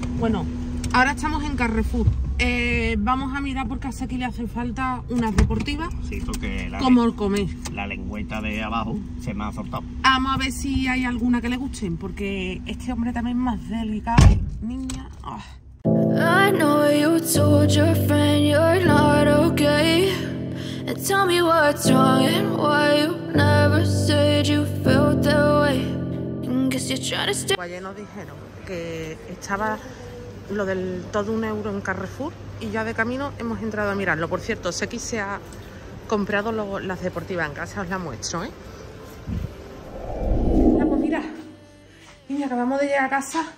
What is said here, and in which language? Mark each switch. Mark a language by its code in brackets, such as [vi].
[es] Bueno, ahora estamos en Carrefour. Vamos a mirar porque a Seki le hace falta unas deportivas. Sí, porque la lengüeta de abajo se me ha soltado. Vamos a ver si hay alguna que le gusten, porque este hombre también es más delicado, niña. Oh. [en] I know you told your friend you're not okay. And tell me what's wrong and why you never said you felt that way. Guess you're trying to stay. [es] Ayer nos dijeron que estaba lo del todo un euro en Carrefour y ya de camino hemos entrado a mirarlo. Por cierto, Seki se ha comprado las deportivas en casa, os las muestro, ¿eh? Vamos, mira. Niña, acabamos de llegar a casa.